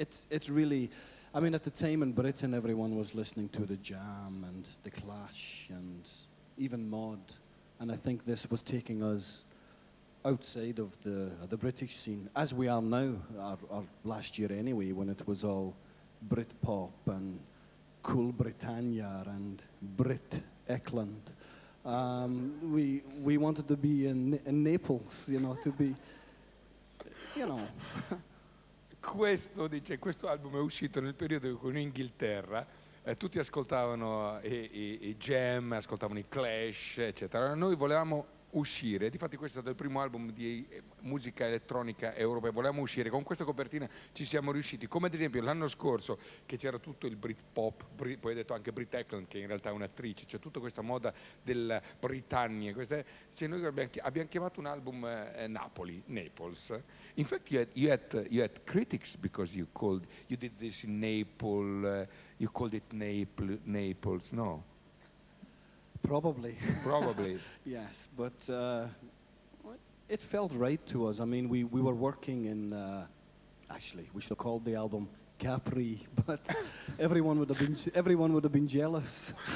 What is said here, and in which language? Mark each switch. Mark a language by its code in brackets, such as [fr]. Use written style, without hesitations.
[en] It's really, I mean, at the time in Britain, everyone was listening to the Jam and the Clash and even Mod, and I think this was taking us outside of the British scene, as we are now, or last year anyway, when it was all Britpop and Cool Britannia and Brit Eklund. We wanted to be in Naples, you know, to be, you know. [it] Questo, dice, questo album è uscito nel periodo in Inghilterra, tutti ascoltavano i Jam, ascoltavano i Clash, eccetera. Noi volevamo uscire, difatti questo è il primo album di musica elettronica europea, volevamo uscire, con questa copertina ci siamo riusciti, come ad esempio l'anno scorso che c'era tutto il Britpop, poi hai detto anche Brit Eklund che in realtà è un'attrice, cioè tutta questa moda della Britannia, cioè noi abbiamo chiamato un album Napoli, Naples. [en] In fact you had critics because you did this in Naples, you called it Naples, no? Probably. Yes, but it felt right to us. I mean, we were working in, actually, we should have called the album Capri, but everyone would have been jealous.